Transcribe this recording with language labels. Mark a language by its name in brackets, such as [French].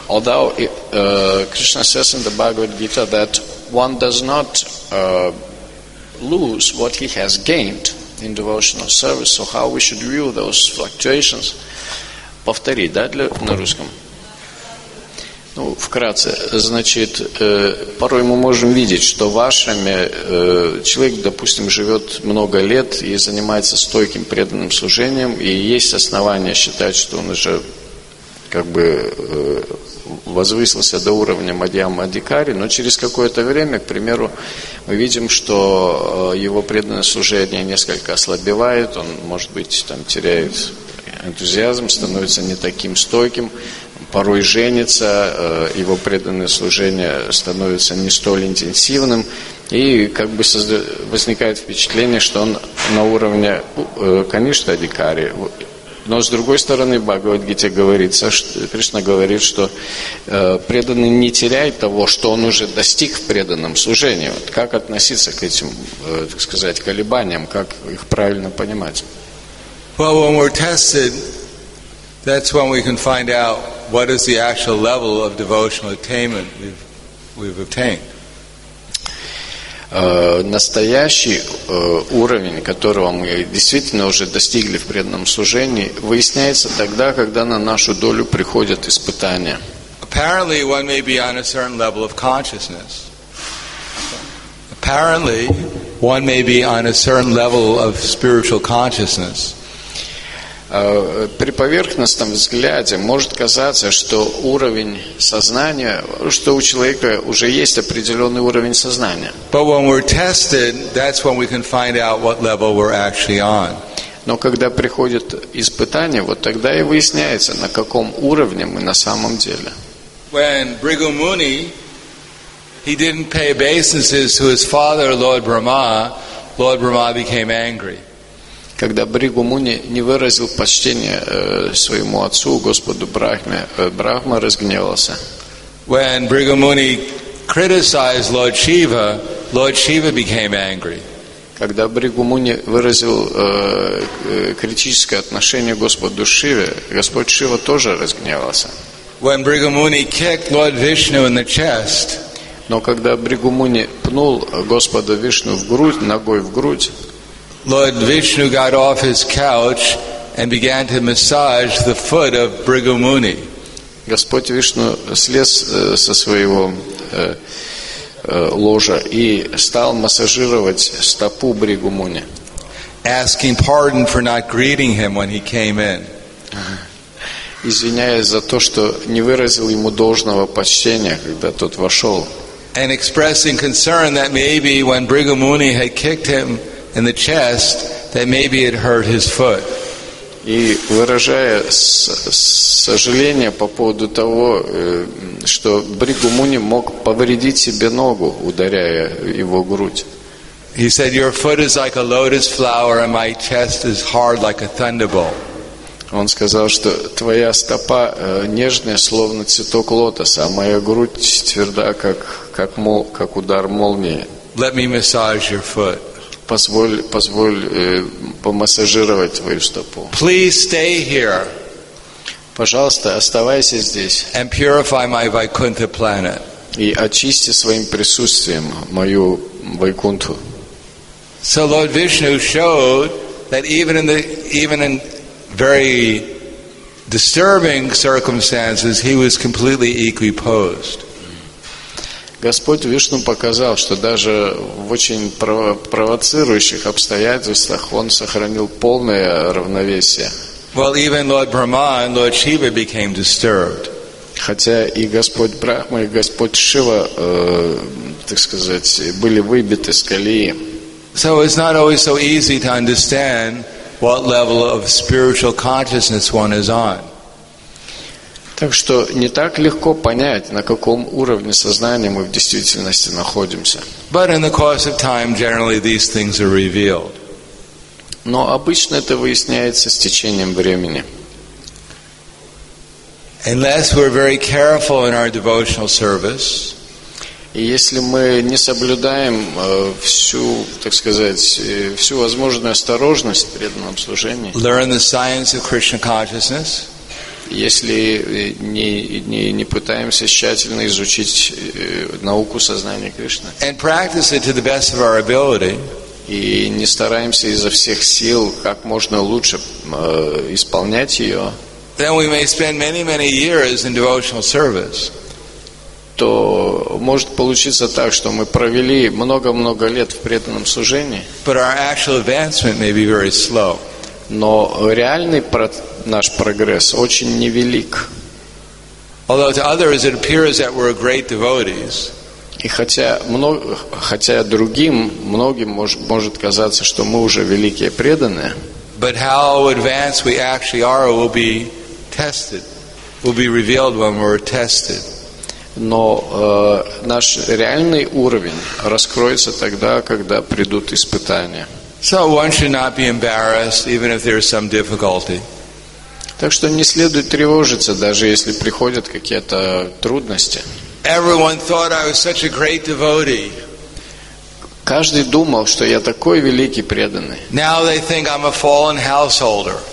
[English] Although Krishna says in the Bhagavad Gita that one does not lose what he has gained in devotional service, so how we should view those fluctuations? [Russian] Повтори, да, на русском. Ну, вкратце, значит, порой мы можем видеть, что в ашраме человек, допустим, живет много лет и занимается стойким преданным служением, и есть основания считать, что он уже как бы возвысился до уровня Мадья Мадикари, но через какое-то время, к примеру, мы видим, что его преданное служение несколько ослабевает, он, может быть, там теряет энтузиазм, становится не таким стойким. Порой женится, его преданное служение становится не столь интенсивным, и как бы возникает впечатление, что он на уровне, конечно, Адикари. Но с другой стороны, Бхагавад-гите говорится, Кришна говорит, что преданный не теряет того, что он уже достиг в преданном служении. Вот как относиться к этим, так сказать, колебаниям, как их правильно понимать? [English] Well, when we're tested, that's when we can find out what is the actual level of devotional attainment we've obtained. [Russian] настоящий уровень, которого мы действительно уже достигли в преданном служении, выясняется тогда, когда на нашу долю приходят испытания. [English] Apparently, one may be on a certain level of consciousness. Apparently, one may be on a certain level of spiritual consciousness. [Russian] При поверхностном взгляде может казаться, что уровень сознания, что у человека уже есть определенный уровень сознания. [English] But when we're tested, that's when we can find out what level we're actually on. [Russian] Но когда приходит испытание, вот тогда и выясняется, на каком уровне мы на самом деле. [English] When Bhrigu Muni, he didn't pay obeisances to his father, Lord Brahma became angry. [Russian] Когда Бригу Муни не выразил почтения своему отцу, Господу Брахме, Брахма разгневался. [English] When Bhrigu Muni criticized Lord Shiva, Lord Shiva became angry. [Russian] Когда Бригу Муни выразил критическое отношение Господу Шиве, Господь Шива тоже разгневался. [English] When Bhrigu Muni kicked Lord Vishnu in the chest, [Russian] но когда Бригу Муни пнул Господа Вишну в грудь, ногой в грудь, [English] Lord Vishnu got off his couch and began to massage the foot of Bhrigu Muni. [Russian] Господь Вишну слез со своего ложа и стал массажировать стопу Бригу Муни. [English] Asking pardon for not greeting him when he came in. [Russian] Извиняясь за то, что не выразил ему должного почтения, когда тот вошел. [English] And expressing concern that maybe when Bhrigu Muni had kicked him in the chest, that maybe it hurt his foot. [Russian] И выражая сожаление по поводу того, что Бригу Муни мог повредить себе ногу, ударяя его грудь. [English] He said, "Your foot is like a lotus flower, and my chest is hard like a thunderbolt." [Russian] Он сказал, что твоя стопа нежная, словно цветок лотоса, а моя грудь тверда, как удар молнии. [English] Let me massage your foot. [Russian] Позволь помассажировать твою стопу. [English] Please stay here. [Russian] Пожалуйста, оставайся здесь. [English] And purify my Vaikuntha planet. [Russian] И очисти своим присутствием мою Вайкунту. [English] So Lord Vishnu showed that even in very disturbing circumstances, he was completely equipoised. [Russian] Господь Вишну показал, что даже в очень провоцирующих обстоятельствах он сохранил полное равновесие. [English] Well, even Lord Brahma and Lord Shiva became disturbed. [Russian] Хотя и Господь Брахма, и Господь Шива, так сказать, были выбиты с колеи. [English] So it's not always so easy to understand what level of spiritual consciousness one is on. [Russian] Так что не так легко понять, на каком уровне сознания мы в действительности находимся. [English] But in the course of time, generally these things are revealed. [Russian] Но обычно это выясняется с течением времени. [English] Unless we're very careful in our devotional service. [Russian] И если мы не соблюдаем всю, так сказать, всю возможную осторожность в преданном служении, [English] learn the science of Krishna consciousness, [Russian] если не пытаемся тщательно изучить науку сознания Кришны, [English] and practice it to the best of our ability, [Russian] и не стараемся изо всех сил как можно лучше исполнять ее, [English] then we may spend many, many years in devotional service. [Russian] То может получиться так, что мы провели много-много лет в преданном служении. [English] But our actual advancement may be very slow. [Russian] Но реальный наш прогресс очень невелик. [English] Although to others it appears that we're great devotees. [Russian] И хотя другим, многим может казаться, что мы уже великие преданные. [English] But how advanced we actually are will be tested, will be revealed when we're tested. [Russian] Но наш реальный уровень раскроется тогда, когда придут испытания. [English] So one should not be embarrassed, even if there is some difficulty. [Russian] Так что не следует тревожиться, даже если приходят какие-то трудности. [English] Everyone thought I was such a great devotee. [Russian] Каждый думал, что я такой великий преданный. [English] Now they think I'm a fallen householder.